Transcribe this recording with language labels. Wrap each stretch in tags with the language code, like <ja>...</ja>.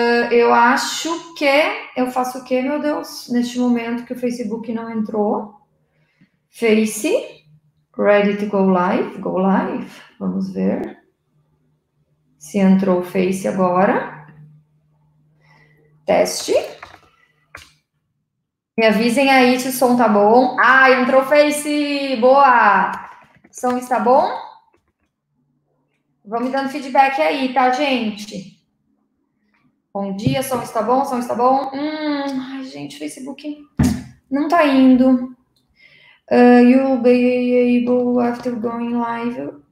<pt>Eu acho que. Eu faço o quê, meu Deus? Neste momento que o Facebook não entrou.</pt> <en>Face, ready to go live, go live.</en> <pt>Vamos ver se entrou o Face agora. Teste. Me avisem aí se o som tá bom. Ah, entrou o Face! Boa! O som está bom? Vão me dando feedback aí, tá, gente? Bom dia, som está bom? Som está bom? Ai, gente, Facebook não tá indo.</pt> <en>You'll be able after going live.</en>